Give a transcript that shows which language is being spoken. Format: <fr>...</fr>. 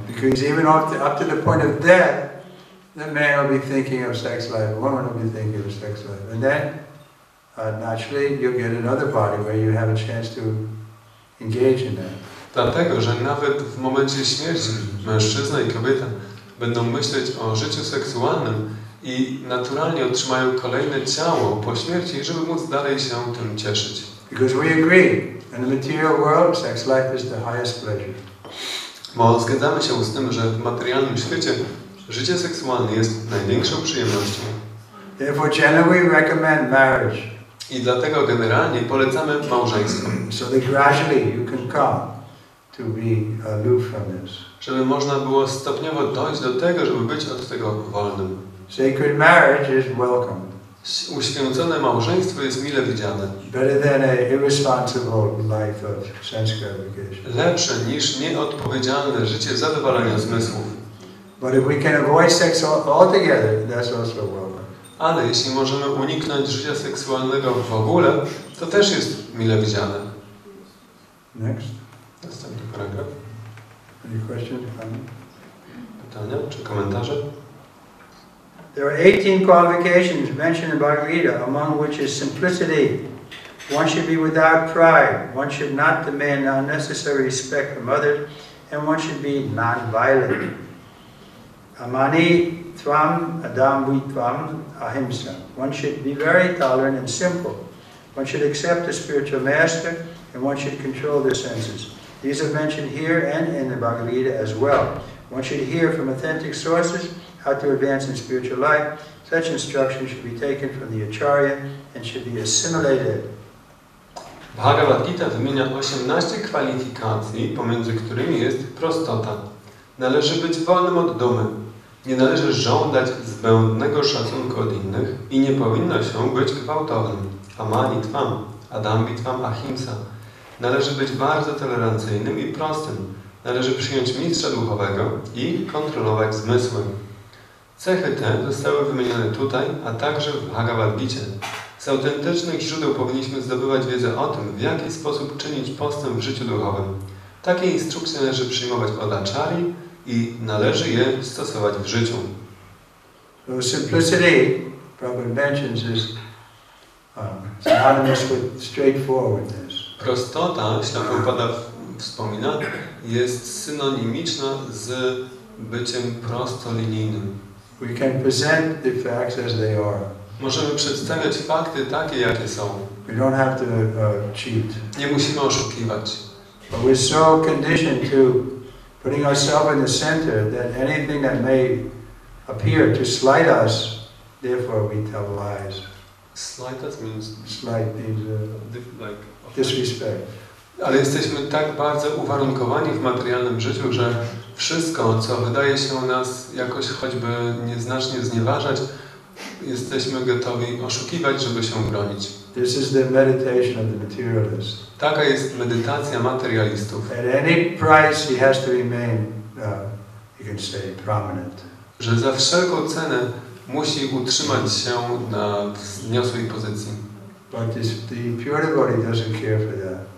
<en>Because even up to the point of death, the man will be thinking of sex life, the woman will be thinking of sex life. And then, naturally, you'll get another body where you have a chance to engage in that.</en> <pl>Dlatego, że nawet w momencie śmierci mężczyzna i kobieta będą myśleć o życiu seksualnym i naturalnie otrzymają kolejne ciało po śmierci, żeby móc dalej się tym cieszyć.</pl> <en>Because we agree, in the material world, sex life is the highest pleasure.</en> <pl>Bo zgadzamy się z tym, że w materialnym świecie życie seksualne jest największą przyjemnością.</pl> <en>Therefore, generally we recommend marriage.</en> <pl>I dlatego generalnie polecamy małżeństwo.</pl> <en>So that gradually you can come to be aloof from this.</en> <pl>Żeby można było stopniowo dojść do tego, żeby być od tego wolnym.</pl> <en>Sacred marriage is welcome.</en> <pl>Uświęcone małżeństwo jest mile widziane.</pl> <en>Better than an irresponsible life of sense gratification.</en> <pl>Lepsze niż nieodpowiedzialne życie zadowalania zmysłów.</pl> <en>But if we can avoid sex altogether, that's also welcome.</en> <pl>Ale jeśli możemy uniknąć życia seksualnego w ogóle, to też jest mile widziane.</pl> <en>Next.</en> <pl>Następny paragraf.</pl> <en>Any questions, comments?</en> <pl>Pytania czy komentarze?</pl> <en>There are 18 qualifications mentioned in Bhagavad Gita, among which is simplicity. One should be without pride. One should not demand unnecessary respect from others, and one should be non-violent.</en> <sa>Amani tvam adam vitvam ahimsa.</sa> <en>One should be very tolerant and simple. One should accept a spiritual master, and one should control their senses. These are mentioned here and in the Bhagavad Gita as well. One should hear from authentic sources how to advance in spiritual life. Such instruction should be taken from the acharya and should be assimilated.</en> <pl>Bhagavad Gita wymienia 18 kwalifikacji, pomiędzy którymi jest prostota. Należy być wolnym od dumy. Nie należy żądać zbędnego szacunku od innych i nie powinno się być gwałtownym.</pl> <sa>Amani tvam, adambi tvam ahimsa.</sa> <pl>Należy być bardzo tolerancyjnym i prostym. Należy przyjąć mistrza duchowego i kontrolować zmysły. Cechy te zostały wymienione tutaj, a także w Bhagavad Gita. Z autentycznych źródeł powinniśmy zdobywać wiedzę o tym, w jaki sposób czynić postęp w życiu duchowym. Takie instrukcje należy przyjmować od Achari i należy je stosować w życiu.</pl> <en>So simplicity, Prabhupada mentions, is synonymous with straightforwardness.</en> <pl>Prostota, jak Prabhupada wspomina, jest synonimiczna z byciem prostolinijnym.</pl> <en>We can present the facts as they are.</en> <pl>Możemy przedstawiać fakty takie, jakie są.</pl> <en>We don't have to cheat.</en> <pl>Nie musimy oszukiwać.</pl> <en>But we're so conditioned to putting ourselves in the center that anything that may appear to slight us, therefore we tell lies. Slight us means? Slight means like disrespect.</en> <pl>Ale jesteśmy tak bardzo uwarunkowani w materialnym życiu, że wszystko, co wydaje się u nas jakoś choćby nieznacznie znieważać, jesteśmy gotowi oszukiwać, żeby się bronić.</pl> <en>This is the meditation of the materialist.</en> <pl>Taka jest medytacja materialistów.</pl> <en>At any price he has to remain, you can say, prominent.</en> <pl>Że za wszelką cenę musi utrzymać się na wzniosłej pozycji.</pl> <en>But the pure devotee doesn't care for that.</en>